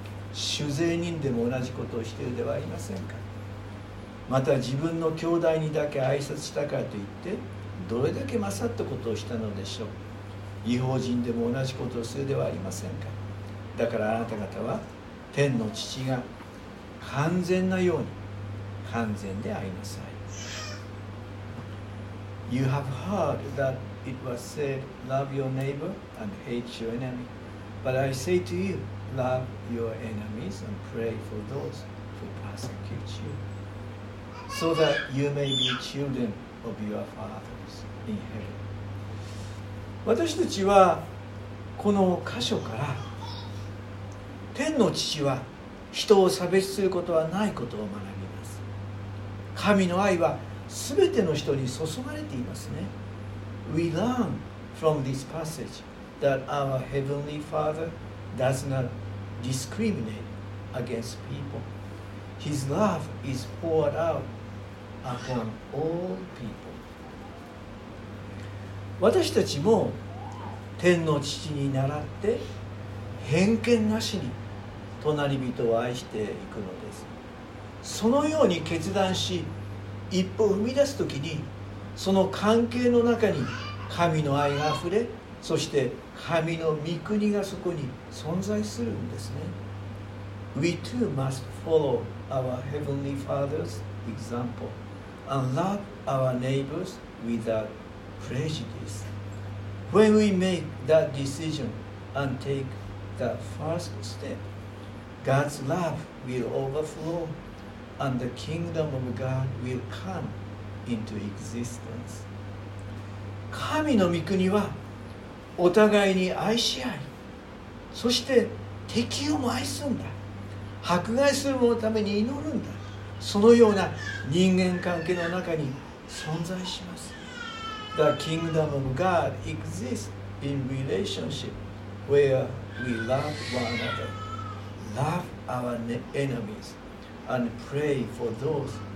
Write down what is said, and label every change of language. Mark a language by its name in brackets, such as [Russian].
[Japanese] 主税人でも同じことをしているではありませんか。また自分の兄弟にだけ挨拶したからといってどれだけ勝ったことをしたのでしょう。異邦人でも同じことをするではありませんか。だからあなた方は天の父が完全なように完全でありなさい。 [English] You have heard thatIt was said, love your neighbor and hate your enemy. But I say to you, love your enemies and pray for those who persecute you, so that you may be children of your fathers in heaven. [Japanese] 私たちはこの箇所から天の父は人を差別することはないことを学びます。神の愛は全ての人に注がれていますね。 [English] We learn from this passage that our Heavenly Father does not discriminate against people. His love is poured out upon all people. [Japanese] 私たちも天の父に習って偏見なしに隣人を愛していくのです。そのように決断し一歩踏み出すときに、その関係の中に神の愛があふれ、そして神の御国がそこに存在するんですね。 [English] We too must follow our Heavenly Father's example and love our neighbors without prejudice. When we make that decision and take that first step, God's love will overflow and the kingdom of God will come. Into existence. [Japanese] 神の御国はお互いに愛し合い、そして敵をも愛すんだ、迫害する者のために祈るんだ、そのような人間関係の中に存在します。 [English] The kingdom of God exists in relationship where we love one another, love our enemies and pray for those